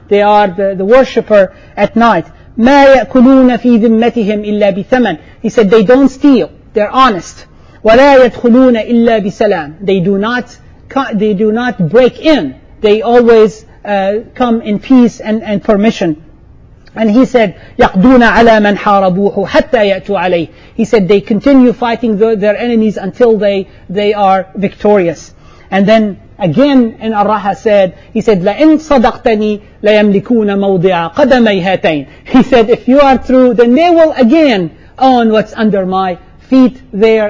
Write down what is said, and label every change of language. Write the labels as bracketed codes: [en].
[en] They are the worshipper at night. [ar] مَا يَأْكُلُونَ فِي ذِمَّتِهِمْ إِلَّا بِثَمَنٍ. [en] He said, they don't steal. They're honest. [ar] وَلَا يَدْخُلُونَ إِلَّا بِسَلَامٍ. [en] They do not break in. They always come in peace and permission. And he said, [ar] يَقْدُونَ عَلَى مَنْ حَارَبُوهُ حَتَّى يَأْتُوا عَلَيْهِ. [en] He said, they continue fighting their enemies until they are victorious. And then again in Arraha he said, [ar] لَإِنْ صَدَقْتَنِي لَيَمْلِكُونَ مَوْضِعَ قَدَمَيْ هَتَيْنِ. [en] He said, if you are true, then they will again own what's under my feet there.